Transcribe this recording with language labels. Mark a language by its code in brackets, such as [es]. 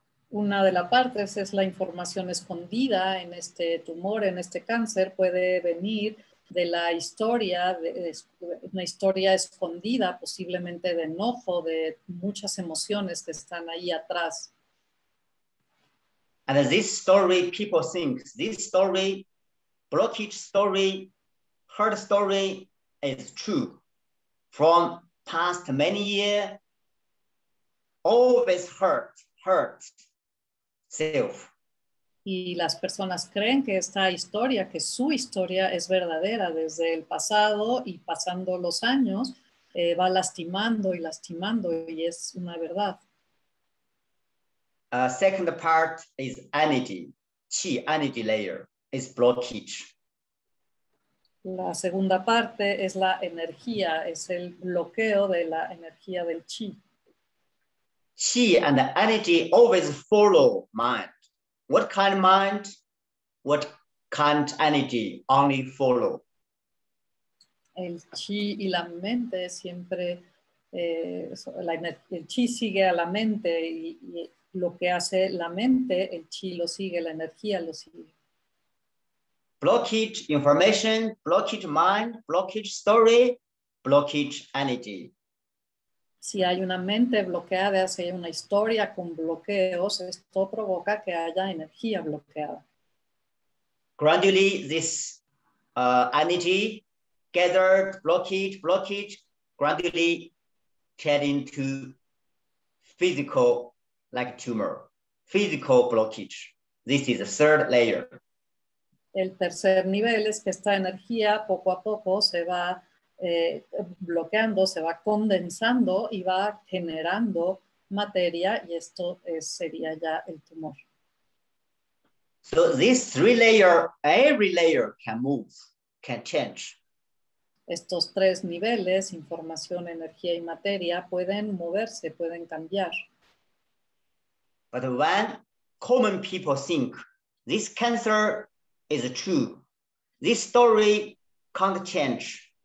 [es] Una de las partes es la información escondida en este tumor, en este cáncer, puede venir de la historia, de una historia escondida, posiblemente de enojo, de muchas emociones que están ahí atrás. [en] And this story, people think, this story, blockage story, hurt story, is true. From past many years, always hurt self. [es] Y las personas creen que esta historia, que su historia es verdadera desde el pasado y pasando los años, va lastimando y es una verdad. [en] Second part is energy. Qi, energy layer, is blockage. [es] La segunda parte es la energía, es el bloqueo de la energía del chi. [en] Qi and energy always follow mind. What kind of mind, what kind of energy only follow? [es] El chi y la mente siempre, el chi sigue a la mente y lo que hace la mente, el chi lo sigue, la energía lo sigue. [en] Blockage information, blockage mind, blockage story, blockage energy. [es] Si hay una mente bloqueada, si hay una historia con bloqueos, esto provoca que haya energía bloqueada. [en] Gradually, this energy gathered, blockage, gradually turned into physical, like tumor, physical blockage. This is the third layer. [es] El tercer nivel es que esta energía poco a poco se va bloqueando, se va condensando y va generando materia y esto sería ya el tumor. [en] So these three layers, every layer can move, can change. [es] Estos tres niveles, información, energía y materia, pueden moverse, pueden cambiar. [en] But when common people think this cancer is true, this story can't change.